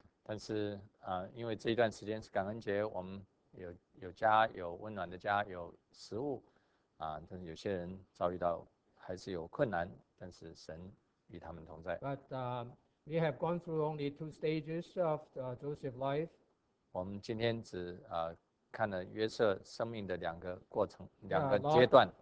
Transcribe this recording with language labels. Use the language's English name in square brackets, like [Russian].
[Chinese] 但是因为这一段时间是感恩节，我们有家，有温暖的家，有食物但是有些人遭遇到还是有困难，但是神与他们同在。 [English] But we have gone through only two stages of Joseph's life. [Chinese] 我们今天只看了约瑟生命的两个过程，两个阶段。